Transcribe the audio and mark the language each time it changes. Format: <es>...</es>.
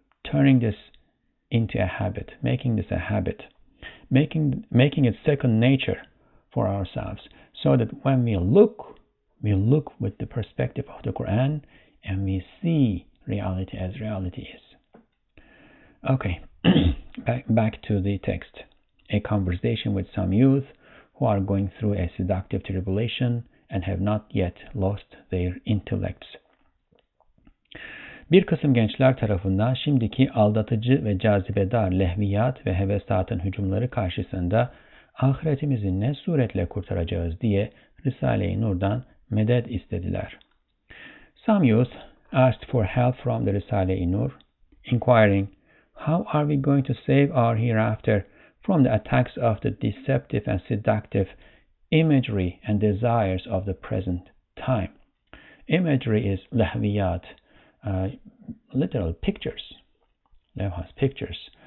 <en>Turning this into a habit, making this a habit, making it second nature for ourselves, so that when we look with the perspective of the Quran and we see reality as reality is. Okay, back to the text. A conversation with some youth who are going through a seductive tribulation and have not yet lost their intellects.</en> <tr>Bir kısım gençler tarafından şimdiki aldatıcı ve cazibedar lehviyat ve hevesatın hücumları karşısında ahiretimizi ne suretle kurtaracağız diye Risale-i Nur'dan medet istediler.</tr> <en>Some youth asked for help from the Risale-i-Nur, inquiring, how are we going to save our hereafter from the attacks of the deceptive and seductive imagery and desires of the present time? Imagery is lahviyat, literal pictures, levhas, pictures.</en>